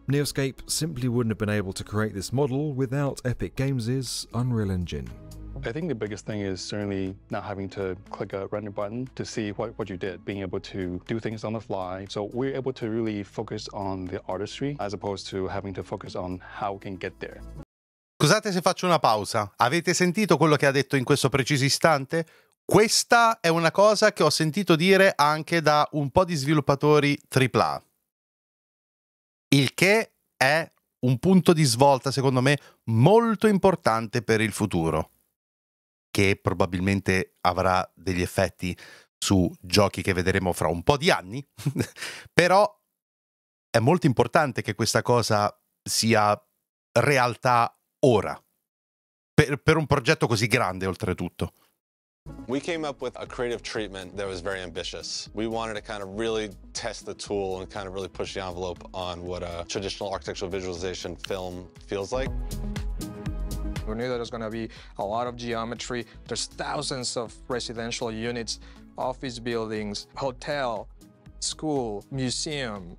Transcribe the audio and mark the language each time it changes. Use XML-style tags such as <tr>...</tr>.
<en>Neoscape simply wouldn't have been able to create this model without Epic Games' Unreal Engine. I think the biggest thing is certainly not having to click a render button to see what you did, being able to do things on the fly. So we're able to really focus on the artistry as opposed to having to focus on how we can get there.</en> <it>Scusate se faccio una pausa. Avete sentito quello che ha detto in questo preciso istante? Questa è una cosa che ho sentito dire anche da un po' di sviluppatori AAA. Il che è un punto di svolta, secondo me, molto importante per il futuro. Che probabilmente avrà degli effetti su giochi che vedremo fra un po' di anni. Però è molto importante che questa cosa sia realtà ora, per un progetto così grande, oltretutto.</it> <en>We came up with a creative treatment that was very ambitious. We wanted to kind of really test the tool and kind of really push the envelope on what a traditional architectural visualization film feels like. We knew there was going to be a lot of geometry. There's thousands of residential units, office buildings, hotel, school, museum.</en>